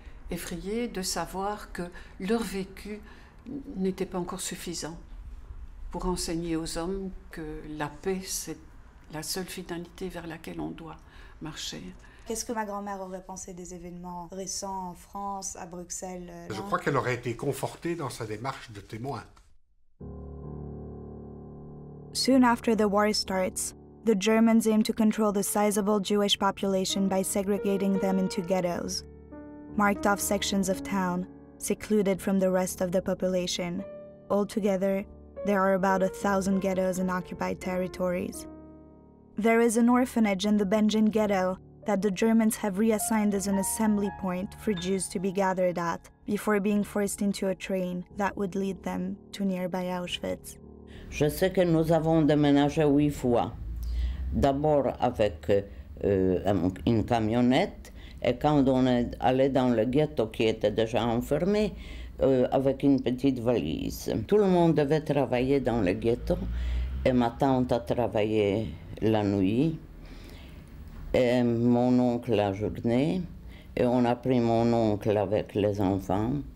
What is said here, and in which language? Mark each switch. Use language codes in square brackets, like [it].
[fr] Effrayée de savoir que leur vécu n'était pas encore suffisant pour enseigner aux hommes que la paix, c'est la seule finalité vers laquelle on doit marcher. Qu'est-ce que ma grand-mère aurait pensé des événements récents en France, à Bruxelles? Je crois qu'elle aurait été confortée dans sa démarche de témoin. [en] Soon after the war starts, the Germans aim to control the sizable Jewish population by segregating them into ghettos, marked off sections of town, secluded from the rest of the population. Altogether, there are about 1,000 ghettos in occupied territories. There is an orphanage in the Benjen ghetto that the Germans have reassigned as an assembly point for Jews to be gathered at before being forced into a train that would lead them to nearby Auschwitz. [fr] Je sais que nous avons déménagé 8 fois. D'abord avec une camionnette, et quand on est allé dans le ghetto qui était déjà enfermé, avec une petite valise. Tout le monde devait travailler dans le ghetto, et ma tante a travaillé la nuit, et mon oncle la journée, et on a pris mon oncle avec les enfants.